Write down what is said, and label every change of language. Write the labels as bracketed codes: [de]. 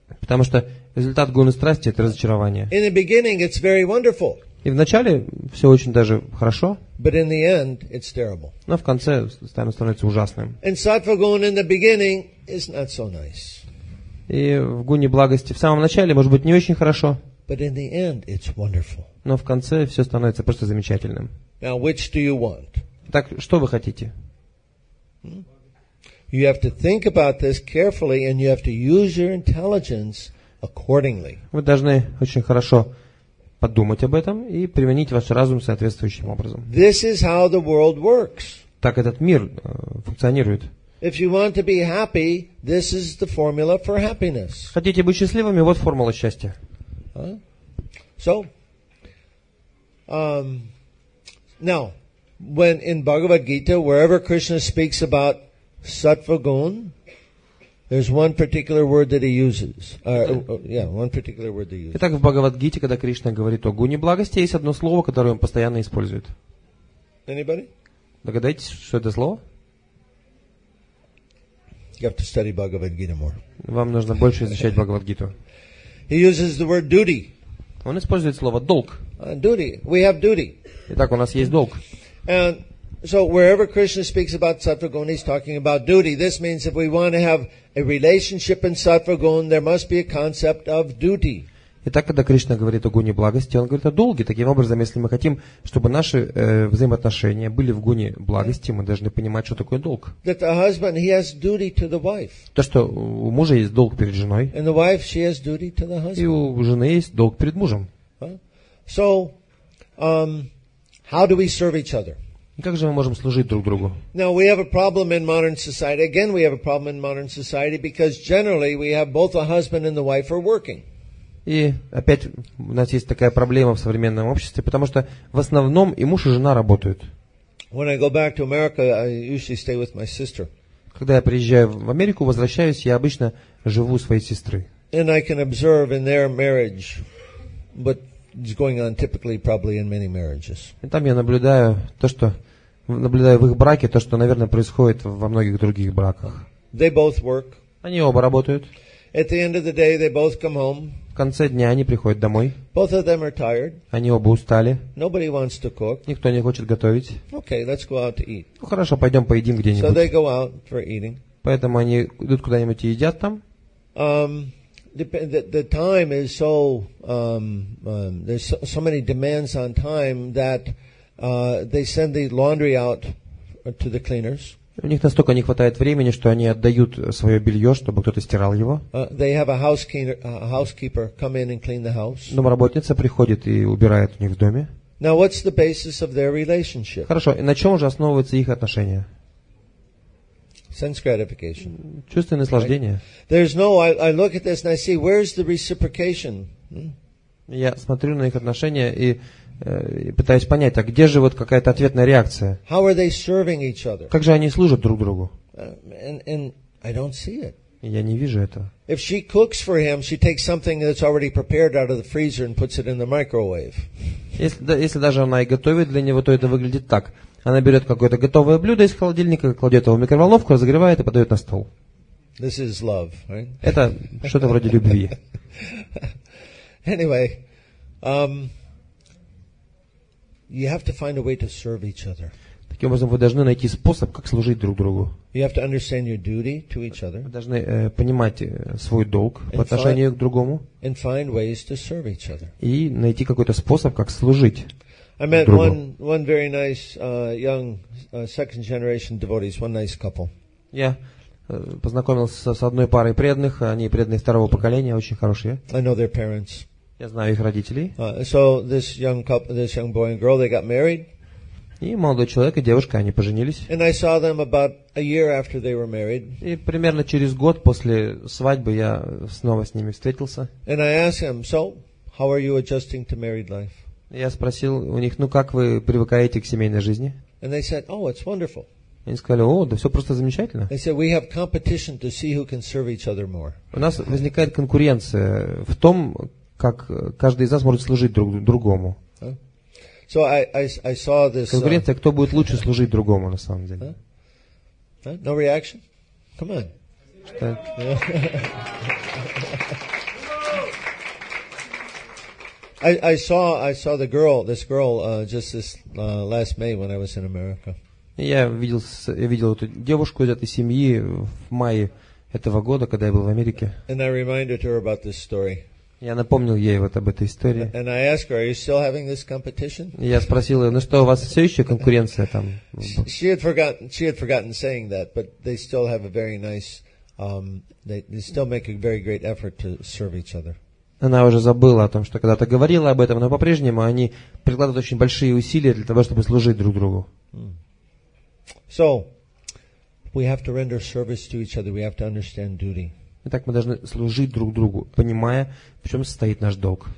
[ru] Потому что результат гуны страсти – это разочарование. [en] In the beginning, it's very wonderful. [ru] И вначале все очень даже хорошо. [en] But in the end, it's terrible. [ru] Но в конце становится ужасным. [en] And sattva-gun in the beginning is not so nice. [ru] И в гуне благости в самом начале, может быть, не очень хорошо. [en] But in the end, it's wonderful. [ru] Но в конце все становится просто замечательным. [en] Now, which do you want? [ru] Так что вы хотите? [en] You have to think about this carefully and you have to use your intelligence accordingly. [ru] Вы должны очень хорошо подумать об этом и применить ваш разум соответствующим образом. [en] This is how the world works. [ru] Так этот мир функционирует. [en] If you want to be happy, this is the formula for happiness. [ru] Хотите быть счастливыми, вот формула счастья. [en] Now, when in Bhagavad Gita, wherever Krishna speaks about sattva-gun, there's one particular word that he uses. [ru] Итак, в Бхагавад-гите, когда Кришна говорит о гуне благости, есть одно слово, которое он постоянно использует. [en] Anybody? [ru] Догадайтесь, что это слово? [en] You have to study Bhagavad Gita more. [ru] Вам нужно больше изучать Бхагавад-гиту. [en] He uses the word duty. [ru] Он использует слово долг. [en] Duty. We have duty. [ru] Итак, у нас есть долг. [en] And so wherever Krishna speaks about sattva-gun, he's talking about duty. This means if we want to have a relationship in sattva-gun, there must be a concept of duty. [ru] Итак, когда Кришна говорит о гуне благости, он говорит о долге. Таким образом, если мы хотим, чтобы наши взаимоотношения были в гуне благости, мы должны понимать, что такое долг. [en] That the husband, he has duty to the wife. [ru] То, что у мужа есть долг перед женой. [en] And the wife, she has duty to the husband. [ru] И у жены есть долг перед мужем. [en] So, how do we serve each other? [ru] Как же мы можем служить друг другу? [en] Now we have a problem in modern society. Again, we have a problem in modern society because generally we have both the husband and the wife are working. [ru] И опять у нас есть такая проблема в современном обществе, потому что в основном и муж, и жена работают. [en] When I go back to America, I usually stay with my sister. [ru] Когда я приезжаю в Америку, возвращаюсь, я обычно живу у своей сестры. [en] And I can observe in their marriage, but it's going on typically probably in many marriages. [ru] И там я наблюдаю то, что наблюдаю в их браке, то, что, наверное, происходит во многих других браках. [en] They both work. [ru] Они оба работают. [en] At the end of the day, they both come home. [ru] В конце дня они приходят домой. [en] Both of them are tired. [ru] Они оба устали. [en] Nobody wants to cook. [ru] Никто не хочет готовить. [en] Okay, let's go out to eat. [ru] Ну хорошо, пойдем поедим где-нибудь. [en] So they go out for eating. [ru] Поэтому они идут куда-нибудь и едят там. [en] The time is so there's so many demands on time that they send the laundry out to the cleaners. [ru] У них настолько не хватает времени, что они отдают свое белье, чтобы кто-то стирал его. [en] They have a housekeeper come in and clean the house. [ru] Домработница приходит и убирает у них в доме. [en] Now, what's the basis of their relationship? [ru] Хорошо, и на чем же основываются их отношения? [en] Sense gratification. [ru] Чувство наслаждения. [en] Right? There's no, I look at this and I see, where's the reciprocation? [ru] Я смотрю на их отношения и пытаюсь понять, а где же вот какая-то ответная реакция? [en] How are they serving each other? [ru] Как же они служат друг другу? [en] And I don't see it. [ru] Я не вижу этого. [en] If she cooks for him, she takes something that's already prepared out of the freezer and puts it in the microwave. [ru] Если даже она и готовит для него, то это выглядит так. Она берет какое-то готовое блюдо из холодильника, кладет его в микроволновку, разогревает и подает на стол. [en] This is love, right? [ru] Это что-то вроде любви. [en] Anyway, you have to find a way to serve each other. [ru] Таким образом, вы должны найти способ, как служить друг другу. [en] You have to understand your duty to each other. [ru] Вы должны понимать свой долг по отношению к другому. [en] And find ways to serve each other. [ru] И найти какой-то способ, как служить другу. [en] I met one very nice young second generation devotees, one nice couple. [ru] Я познакомился с одной парой преданных, они преданные второго поколения, очень хорошие. [en] I know their parents. [ru] Я знаю их родителей. [en] So this young couple, this young boy and girl, they got married. [ru] И молодой человек и девушка, они поженились. [en] And I saw them about a year after they were married. [ru] И примерно через год после свадьбы я снова с ними встретился. [en] And I asked him, so how are you adjusting to married life? [ru] Я спросил у них, ну как вы привыкаете к семейной жизни? [en] And they said, oh, it's wonderful. [ru] Они сказали, о, да все просто замечательно. [en] They said, we have competition to see who can serve each other more. [ru] У нас возникает конкуренция в том, как каждый из нас может служить друг другому. [en] So I saw this, [ru] конкуренция, кто будет лучше служить другому, на самом деле. [en] No reaction? Come on. [ru] Что? [en] I saw the girl, this girl, just this last May when I was in America. [ru] Я видел эту девушку из этой семьи в мае этого года, когда я был в Америке. [en] And I reminded her about this story. [ru] Я напомнил ей вот об этой истории. [en] And I asked her, are you still having this competition? [ru] Я спросил ее, ну что, у вас все еще конкуренция там? [en] She had forgotten saying that, but they still have a very nice, they still make a very great effort to serve each other. [ru] она уже забыла о том, что когда-то говорила об этом, но по-прежнему они прикладывают очень большие усилия для того, чтобы служить друг другу. [en] So, we have to render service to each other. We have to understand duty. [ru] Итак, мы должны служить друг другу, понимая, в чем состоит наш долг.